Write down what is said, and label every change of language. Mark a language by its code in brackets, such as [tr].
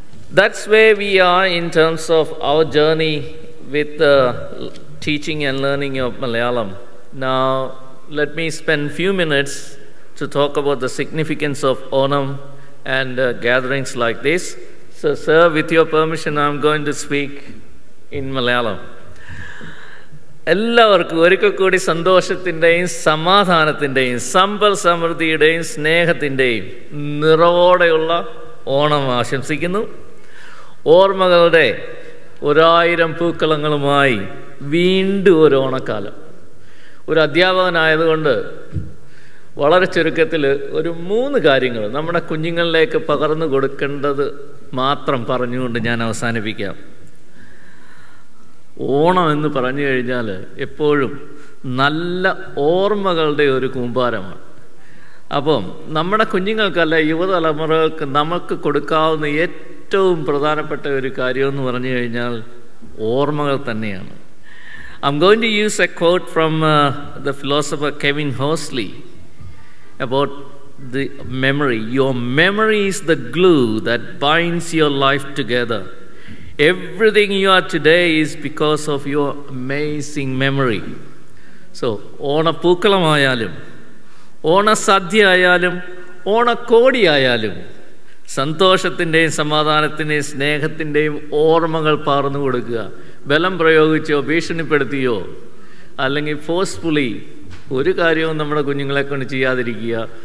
[en] That's where we are in terms of our journey with the teaching and learning of Malayalam. Now, let me spend a few minutes to talk about the significance of Onam and gatherings like this. So, sir, with your permission, I'm going to speak in Malayalam. [ml] എല്ലാവർക്കും ഒരിക്കൽ കൂടി സന്തോഷത്തിൻ്റെയും സമാധാനത്തിൻ്റെയും സമ്പൽ സമൃദ്ധിയുടെയും സ്നേഹത്തിൻ്റെയും നിറവോടെയുള്ള ഓണം ആശംസിക്കുന്നു. ഓർമ്മകളുടെ ഒരായിരം പൂക്കളങ്ങളുമായി വീണ്ടും ഒരു ഓണക്കാലം. ഒരു അധ്യാപകനായതുകൊണ്ട് വളരെ ചുരുക്കത്തിൽ ഒരു മൂന്ന് കാര്യങ്ങൾ നമ്മുടെ കുഞ്ഞുങ്ങളിലേക്ക് പകർന്നു കൊടുക്കേണ്ടത് മാത്രം പറഞ്ഞുകൊണ്ട് ഞാൻ അവസാനിപ്പിക്കാം. ഓണം എന്ന് പറഞ്ഞു കഴിഞ്ഞാൽ എപ്പോഴും നല്ല ഓർമ്മകളുടെ ഒരു കൂമ്പാരമാണ്. അപ്പം നമ്മുടെ കുഞ്ഞുങ്ങൾക്കല്ല, യുവതലമുറകൾക്ക് നമുക്ക് കൊടുക്കാവുന്ന ഏറ്റവും പ്രധാനപ്പെട്ട ഒരു കാര്യമെന്ന് പറഞ്ഞു കഴിഞ്ഞാൽ ഓർമ്മകൾ തന്നെയാണ്. [en] I'm going to use a quote from the philosopher Kevin Hosley about the memory. Your memory is the glue that binds your life together. Everything you are today is because of your amazing memory. [ml] So, ona pookalam ayalum, ona sadhya ayalum, ona kodi ayalum, സന്തോഷത്തിൻ്റെയും സമാധാനത്തിൻ്റെയും സ്നേഹത്തിൻ്റെയും ഓർമ്മകൾ പകർന്നു കൊടുക്കുക. ബലം പ്രയോഗിച്ചോ ഭീഷണിപ്പെടുത്തിയോ അല്ലെങ്കിൽ forcefully ഒരു കാര്യവും നമ്മുടെ കുഞ്ഞുങ്ങളെ കൊണ്ട് ചെയ്യാതിരിക്കുക.